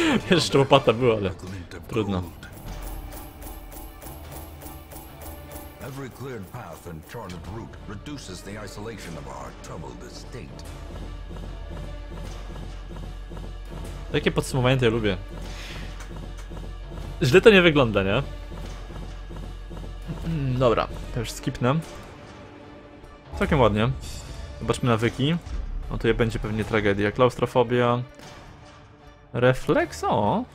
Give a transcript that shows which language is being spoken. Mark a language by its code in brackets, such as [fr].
[pl] Jeszcze łopata była, ale trudno. [en] Every cleared path and charted route reduces the isolation of our troubled estate. [pl] Takie podsumowanie to ja lubię. Źle to nie wygląda, nie? Dobra, to już skipnę. Całkiem ładnie. Zobaczmy nawyki. No tu będzie pewnie tragedia. Klaustrofobia. Refleks, o!